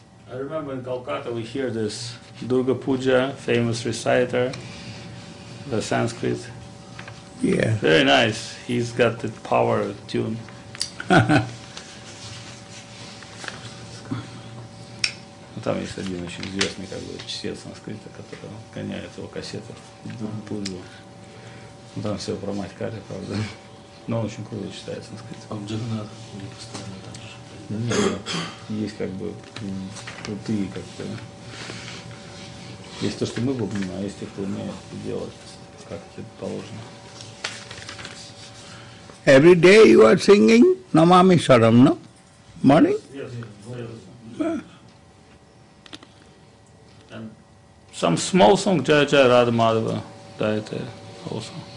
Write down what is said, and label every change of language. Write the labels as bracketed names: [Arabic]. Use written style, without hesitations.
[English] I remember in Calcutta we hear this Durga Puja, famous reciter, the Sanskrit. Yeah. Very nice. He's got the power of tune. [Russian] Ну там есть один очень известный как бы чтец санскрита, который гоняет его кассеты Дурга Пуджу. Ну там все про мать Кали, правда. Но он очень круто читает санскрит. А в Джагнат не постоянно там. Нет, есть как бы крутые как-то. Есть то, что мы бубним, а есть те, кто умеет это делать, как это положено. [English] Every day you are singing Namami Saram, no? Morning? Yes. And some small song, Jai Jai Radha Madhava, that also.